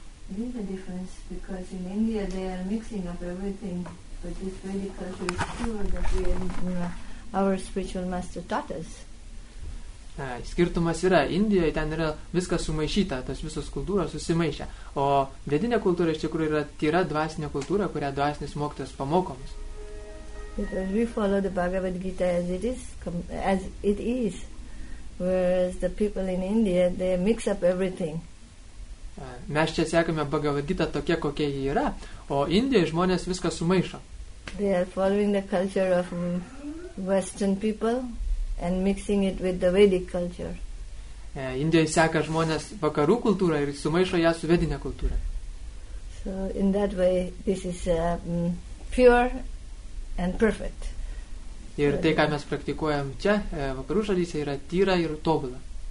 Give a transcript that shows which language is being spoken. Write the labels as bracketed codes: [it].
[en] There is a difference because in India they are mixing up everything, but this Vedic culture is sure that we are, our spiritual master taught us. [lt] Skirtumas yra Indijoje, ten yra viskas sumaišyta, tas visos kultūros susimaišę. O vedinė kultūra iš tikrųjų yra tyra dvasinė kultūra, kurią dvasinis mokytojas pamokomas. [en] Because we follow the Bhagavad Gita as it is, whereas the people in India, they mix up everything. [lt] Mes čia sekame Bhagavad Gita tokie, kokie jį yra, o Indijoje žmonės viską sumaišo. [en] They are following the culture of Western people. And mixing it with the Vedic culture. [lt] Indijoje seka žmonės vakarų kultūrą ir sumaišo ją su vedinė kultūra. [en] So in that way this is pure and perfect. [lt] Ir tai, ką mes praktikuojam čia, vakarų šalyse, yra tyra ir tobula.